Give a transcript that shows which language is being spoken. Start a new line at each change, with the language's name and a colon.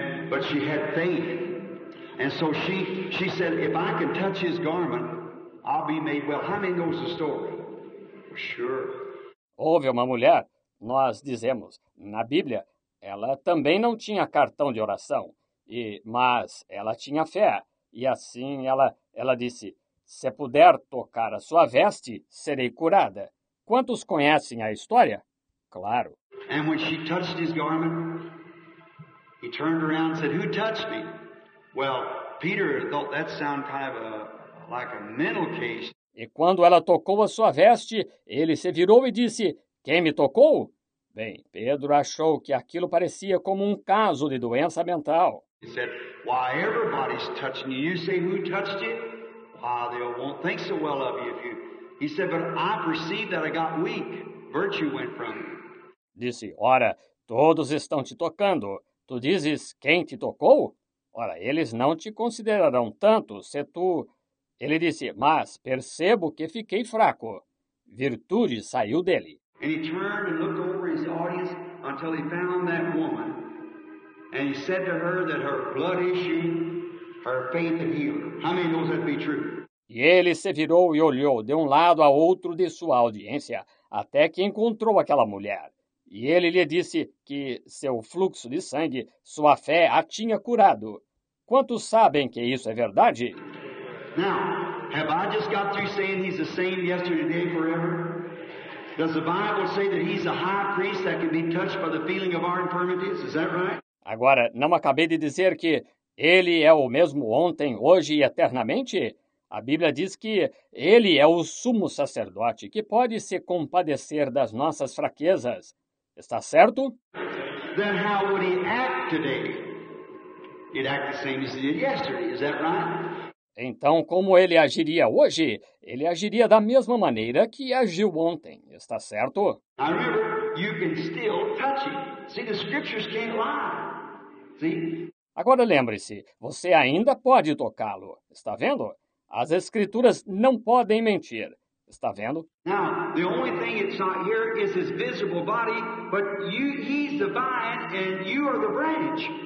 English: But she had faith. And so she said, if I can touch his garment, I'll be made well. How many knows the story? Sure.
Portuguese: Houve uma mulher, nós dizemos, na Bíblia, ela também não tinha cartão de oração, mas ela tinha fé. E assim ela disse, se puder tocar a sua veste, serei curada. Quantos conhecem a história? Claro.
English: And when she touched his garment, he turned around and said, who touched me? Well, Peter thought that sound kind of a, like a mental case.
Portuguese: E quando ela tocou a sua veste, ele se virou e disse, quem me tocou? Bem, Pedro achou que aquilo parecia como um caso de doença mental.
English: He said, "Why everybody's touching you? You say who touched you? Why they won't think so well of you if you." He said, "But I perceived that I got weak. Virtue went from me."
Portuguese: Disse, "Ora, todos estão te tocando. Tu dizes quem te tocou? Ora, eles não te considerarão tanto se tu." Ele disse, "Mas percebo que fiquei fraco. Virtude saiu dele."
English: And he turned and looked over his audience until he found that woman. And he said to her that her blood issue, her faith had healed. How many knows that to be true?
Portuguese: E ele se virou e olhou de um lado a outro de sua audiência até que encontrou aquela mulher. E ele lhe disse que seu fluxo de sangue, sua fé, a tinha curado. Quantos sabem que isso é verdade?
English: Now, have I just got through saying he's the same yesterday, today, forever? Does the Bible say that he's a high priest that can be touched by the feeling of our infirmities? Is that right?
Portuguese: Agora, não acabei de dizer que ele é o mesmo ontem, hoje e eternamente? A Bíblia diz que ele é o sumo sacerdote que pode se compadecer das nossas fraquezas. Está certo?
English: Then how would he act today? He'd act the same as he did yesterday. Is that right?
Portuguese: Então, como ele agiria hoje? Ele agiria da mesma maneira que agiu ontem. Está certo?
English: I remember, you can still touch him. See, the scriptures can't lie. See?
Portuguese: Agora lembre-se, você ainda pode tocá-lo. Está vendo? As escrituras não podem mentir. Está vendo?
English: Now, the only thing it's not here is his visible body, but he's the vine and you are the branch.